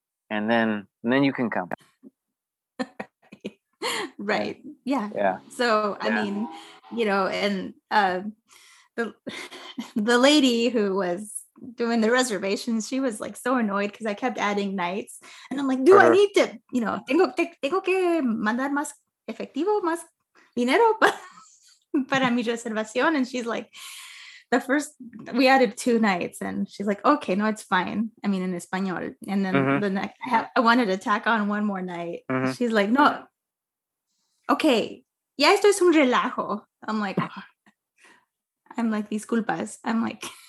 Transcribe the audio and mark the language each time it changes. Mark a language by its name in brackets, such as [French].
[English] And then you can come. Right. Yeah. Yeah. So, yeah. I mean, you know, and the lady who was doing the reservations, she was like so annoyed because I kept adding nights. And I'm like, do I need to, you know, [Spanish] tengo que mandar más efectivo, más dinero para mi reservación. [English] And she's like... The first, we added two nights and she's like, okay, no, it's fine. I mean, in Espanol. And then the next, I wanted to tack on one more night. [Spanish] Mm-hmm. [English] She's like, no. Okay. [Spanish] Ya esto es un relajo. [English] I'm like, [Spanish] disculpas. [English] I'm like.